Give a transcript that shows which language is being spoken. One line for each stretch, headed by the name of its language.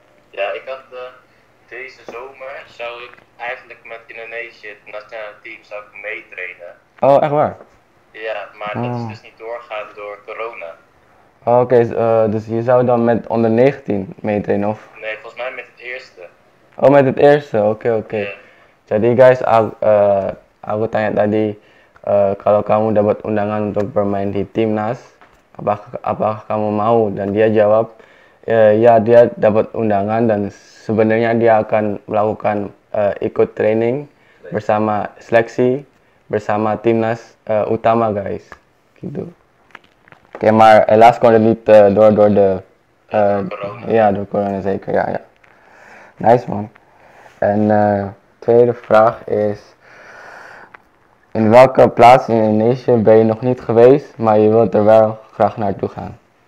Dutch: Ja, ik had deze zomer zou ik eigenlijk met Indonesië, het nationale team, zou ik meetrainen. Oh, echt waar? Ja, maar dat is dus niet doorgaan door corona. Oké, okay, dus je zou dan met onder 19 meetrainen, of? Nee, volgens mij met het eerste. Oh, met het eerste, oké.
English: Yeah.
Indonesian: Jadi guys, aku tanya tadi, kalau kamu dapat undangan untuk bermain di timnas, apakah kamu mau? Dan dia jawab, ya dia dapat undangan dan sebenarnya dia akan melakukan ikut training bersama seleksi bersama timnas utama guys gitu.
Dutch: Oke, maar helaas kon het niet door de ja door corona zeker ja
English: nice man.
Dutch: En tweede vraag is in welke plaats in Indonesië ben je nog niet geweest maar je wilt er wel graag naartoe gaan?